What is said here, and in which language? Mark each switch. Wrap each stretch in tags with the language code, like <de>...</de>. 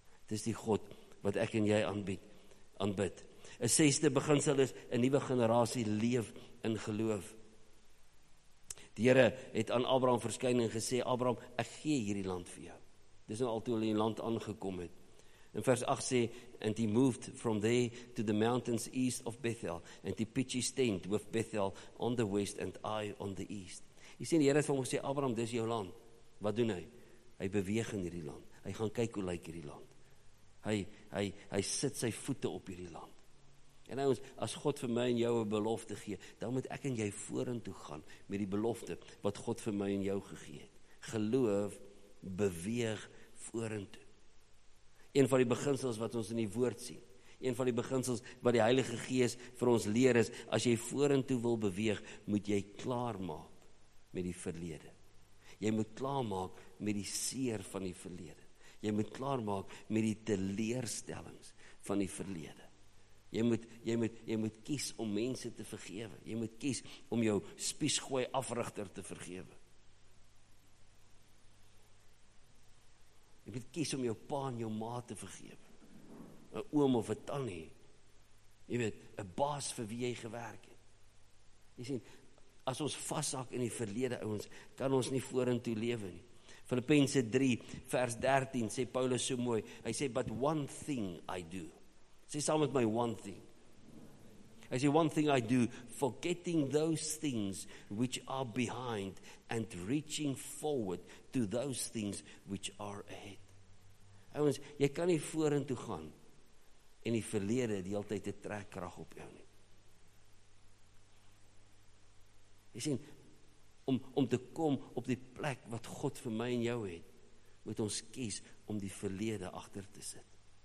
<af>Dis die God wat ek en jy aanbid. 'N sesde beginsel is, 'n nuwe generasie leef in geloof. Die Here het aan Abraham verskyn en gesê, Abraham, ek gee hierdie land vir jou. Dis nou al toe hulle in die land aangekom het. In vers 8 sê,</af> <en>and he moved from there to the mountains east of Bethel, and he pitched his tent with Bethel on the west and I on the east.</en> <af>Jy sien, die Here het vir hom gesê, Abraham, dis jou land. Wat doen hy? Hy beweeg in hierdie land. Hy gaan kyk hoe lyk hierdie land. Hy sit sy voete op hierdie land. En ons, as God vir my en jou 'n belofte gee, dan moet ek en jy vorentoe gaan met die belofte wat God vir my en jou gegee het. Geloof beweeg vorentoe. Een van die beginsels wat ons in die woord sien, een van die beginsels wat die Heilige Gees vir ons leer is, as jy vorentoe wil beweeg, moet jy klaar maak met die verlede. Jy moet klaar maak met die seer van die verlede. Jy moet klaar maak met die teleurstellings van die verlede. Jy moet kies om mense te vergewe. Jy moet kies om jou spiesgooi africhter te vergewe. Jy moet kies om jou pa en jou ma te vergewe. 'N Oom of 'n tannie. Jy weet, 'n baas vir wie jy gewerk het. Jy sien, as ons vashak in die verlede ouens, kan ons nie vorentoe lewe nie. Filippense 3 vers 13 sê Paulus so mooi. Hy sê</af> <en>but one thing I do.</en> <af>Sê saam met my</af> <en>one thing.</en> <af>Hy sê</af> <en>one thing I do, forgetting those things which are behind and reaching forward to those things which are ahead.</en> <af>Ouens, jy kan nie vorentoe gaan en die verlede die hele tyd 'n trekkrag op jou nie. Jy sien, om te kom op die plek wat God vir my en jou het, moet ons kies om die verlede agter te sit.</af>